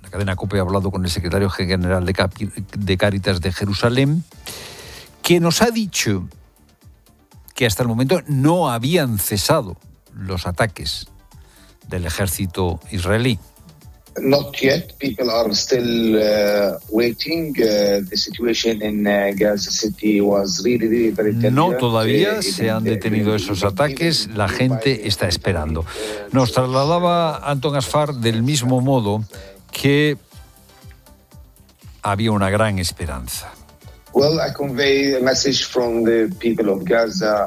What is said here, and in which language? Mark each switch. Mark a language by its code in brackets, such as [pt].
[es] La cadena COPE ha hablado con el secretario general de Cáritas de Jerusalén, que nos ha dicho que hasta el momento no habían cesado los ataques del ejército israelí. [en] Not yet. People are still waiting. The situation in Gaza City was really very tense. [es] No todavía se han detenido esos ataques. La gente está esperando. Nos trasladaba Anton Asfar del mismo modo, que había una gran esperanza. [en] Well, I convey a message from the people of Gaza.